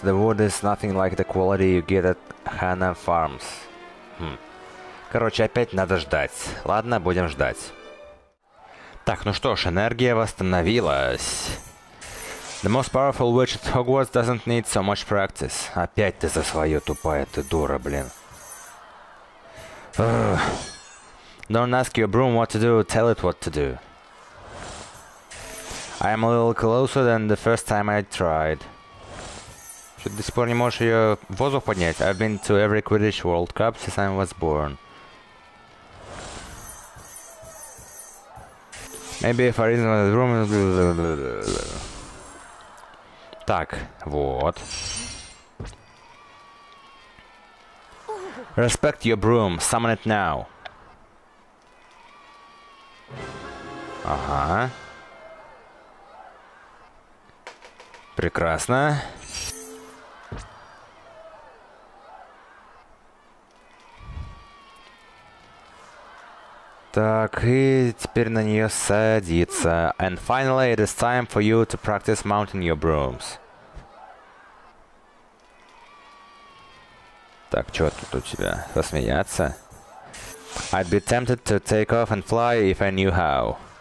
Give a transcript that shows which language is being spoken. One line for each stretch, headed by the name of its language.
English: The wood is nothing like the quality you get at Hanna Farms. Хм.
Russian: Короче, опять надо ждать. Ладно, будем ждать. Так, ну что ж, энергия восстановилась.
English: The most powerful witch at Hogwarts doesn't need so much practice.
Russian: Опять ты за свое тупая, ты дура, блин. Ugh.
English: Don't ask your broom what to do, tell it what to do. I am a little closer than the first time I tried.
Russian: Что ты до сих пор не можешь ее в воздух поднять?
English: I've been to every Quidditch World Cup since I was born. Maybe if I reason with the broom...
Russian: Так, вот.
English: Respect your broom. Summon it now. Ага.
Russian: Прекрасно. Так, и теперь на неё садится.
English: And finally, it is time for you to practice mounting your brooms.
Russian: Так, чё тут у тебя? Засмеяться?
English: I'd be tempted to take off and fly if I knew how.